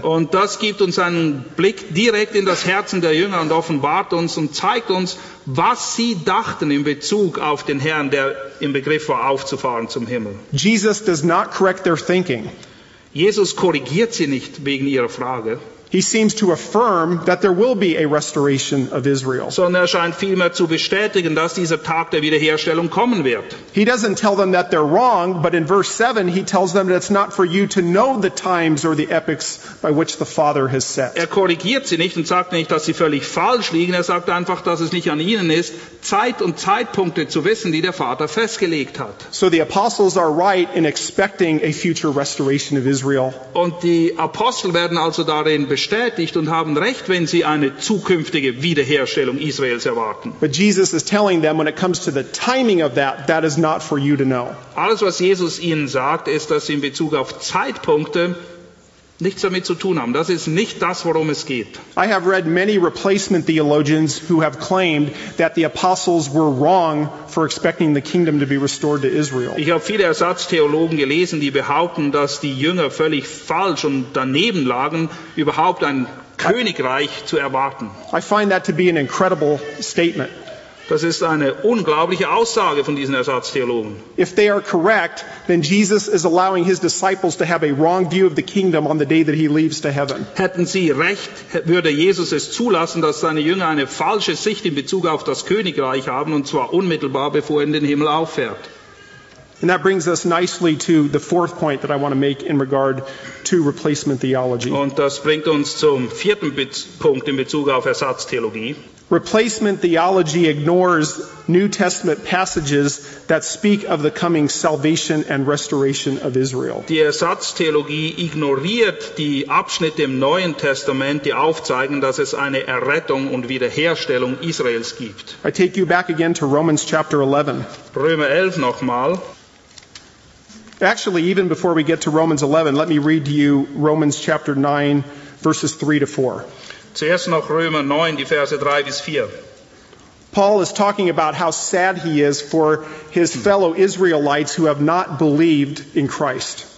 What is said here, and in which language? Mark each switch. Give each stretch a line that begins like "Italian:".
German: Und das gibt uns einen Blick direkt in das Herzen der Jünger und offenbart uns und zeigt uns, was sie dachten in Bezug auf den Herrn, der im Begriff war, aufzufahren zum Himmel.
English: Jesus does not correct their thinking.
German: Jesus korrigiert sie nicht wegen ihrer Frage.
English: He seems to affirm that there will be a restoration of Israel.
German: Sondern er scheint vielmehr zu bestätigen, dass dieser Tag der Wiederherstellung kommen wird.
English: He doesn't tell them that they're wrong, but in verse 7 he tells them that it's not for you to know the times or the epochs by which the Father has set.
German: Er korrigiert sie nicht und sagt nicht, dass sie völlig falsch liegen. Er sagt einfach, dass es nicht an ihnen ist, Zeit und Zeitpunkte zu wissen, die der Vater festgelegt hat.
English: So the apostles are right in expecting a future restoration of Israel.
German: Und die Apostel werden also darin bestätigt und haben recht, wenn sie eine zukünftige Wiederherstellung Israels erwarten.
English: But Jesus is telling them, when it comes to the timing of that, that is not for you to know.
German: Alles, was Jesus ihnen sagt, ist, dass sie in Bezug auf Zeitpunkte nichts damit zu tun haben. Das ist nicht das, worum es geht.
English: I have read many replacement theologians who have claimed that the apostles were wrong for expecting the kingdom to be restored to Israel.
German: Ich habe viele Ersatztheologen gelesen, die behaupten, dass die Jünger völlig falsch und daneben lagen, überhaupt ein Königreich zu erwarten.
English: I find that to be an incredible statement.
German: Das ist eine unglaubliche Aussage von diesen Ersatztheologen.
English: If they are correct, then Jesus is allowing his disciples to have a wrong view of the kingdom on the day that he leaves to heaven.
German: Hätten sie recht, würde Jesus es zulassen, dass seine Jünger eine falsche Sicht in Bezug auf das Königreich haben, und zwar unmittelbar bevor er in den Himmel auffährt.
English: And that brings us nicely to the fourth point that I want to make in regard to replacement theology.
German: Und das bringt uns zum vierten Punkt in Bezug auf Ersatztheologie.
English: Replacement theology ignores New Testament passages that speak of the coming salvation and restoration of Israel.
German: Die Ersatztheologie ignoriert die Abschnitte im Neuen Testament, die aufzeigen, dass es eine Errettung und Wiederherstellung Israels gibt.
English: I take you back again to Romans chapter 11.
German: Römer 11 nochmal.
English: Actually, even before we get to Romans 11, let me read to you Romans chapter 9, verses 3 to 4.
German: Zuerst noch Römer 9, die Verse 3 bis 4.
English: Paul is talking about how sad he is for his fellow Israelites who have not believed in Christ.